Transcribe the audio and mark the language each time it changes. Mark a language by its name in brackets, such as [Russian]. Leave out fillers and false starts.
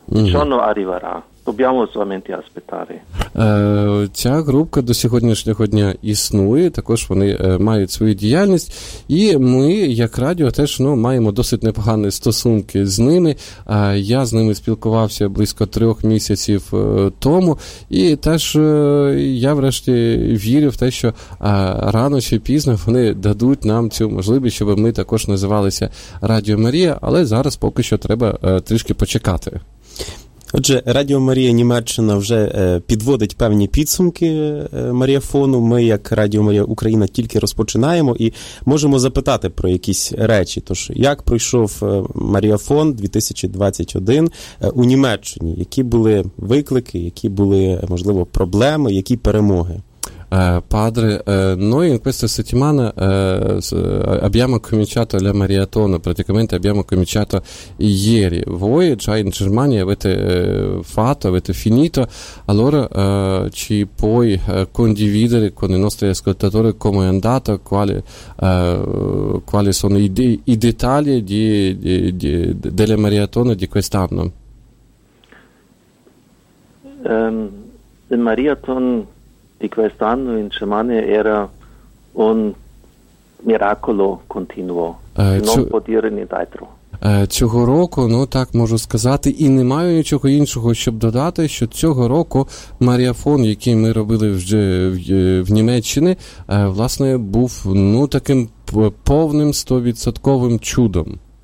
[Italian] Ciò arriverà. Dobbiamo solamente aspettare. [Ukrainian] Ця група до сьогоднішнього дня існує, також вони мають свою діяльність, і ми, як радіо, теж, ну, маємо досить непогані стосунки з ними. Я з ними спілкувався близько 3 місяців тому, і теж я врешті вірю в те, що рано чи пізно вони дадуть нам цю можливість, щоб ми також називалися Радіо Марія, але зараз поки що треба трішки почекати. Отже, Радіо Марія Німеччина вже підводить певні підсумки Маріафону. Ми, як Радіо Марія Україна, тільки розпочинаємо і можемо запитати про якісь речі. Тож, як пройшов Маріафон 2021 у Німеччині? Які були виклики, які були, можливо, проблеми, які перемоги? [Italian] padre. Noi in questa settimana abbiamo cominciato la maratona, praticamente abbiamo cominciato ieri. Voi già in Germania avete fatto, avete finito, allora ci puoi condividere con i nostri ascoltatori come è andata, quali sono i dettagli della maratona di quest'anno. Il maratona di quest'anno in Germania era un miracolo continuo, può dire nient'altro. [Ukrainian] Цього року, ну так можу сказати, і не маю нічого іншого, щоб додати, що цього року маріафон, який ми робили вже в Німеччині, власне, був ну таким повним 100% чудом.